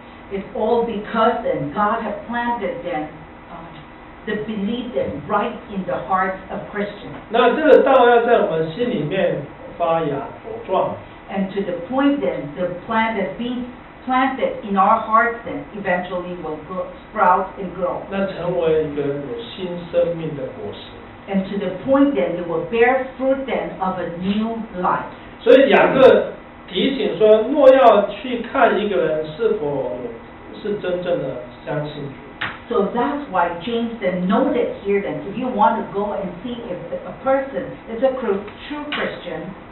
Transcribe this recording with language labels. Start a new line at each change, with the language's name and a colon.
English: It's all because then God has planted them. The belief that right in the hearts of Christians.
Chinese: 那这个道要在我们心里面发芽茁壮。
English: And to the point then, the plant that being planted in our hearts then eventually will sprout and grow.
Chinese: 那成为一个有新生命的果实。
English: And to the point then, it will bear fruit then of a new life.
Chinese: 所以雅各提醒说，若要去看一个人是否是真正的相信主。
English: So that's why James then noted here that if you want to go and see if a person is a true Christian,